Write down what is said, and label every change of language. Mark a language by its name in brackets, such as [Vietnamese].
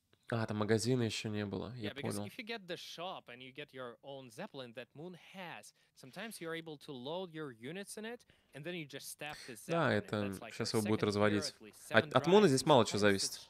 [Russian] А, там магазина еще не было, я понял. [English] If you get the shop and you get your own Zeppelin that Moon has, sometimes you're able to load your units in it, and then you just staff the Zeppelin. [Russian] Да, это сейчас его будет разводить. От Муна здесь мало чего зависит.